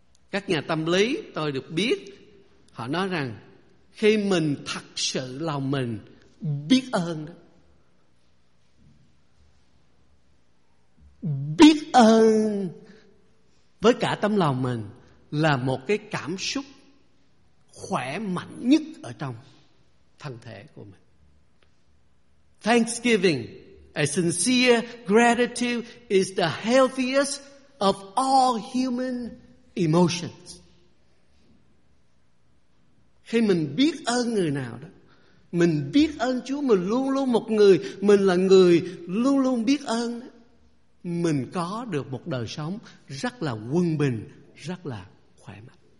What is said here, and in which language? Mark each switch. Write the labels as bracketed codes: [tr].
[vi] Các nhà tâm lý tôi được biết, họ nói rằng khi mình thật sự lòng mình biết ơn đó, biết ơn với cả tấm lòng mình, là một cái cảm xúc khỏe mạnh nhất ở trong thân thể của mình. [en] Thanksgiving, a sincere gratitude, is the healthiest of all human emotions. [vi] Khi mình biết ơn người nào đó, mình biết ơn Chúa, mình luôn luôn một người, mình là người luôn luôn biết ơn đó, mình có được một đời sống rất là quân bình, rất là khỏe mạnh.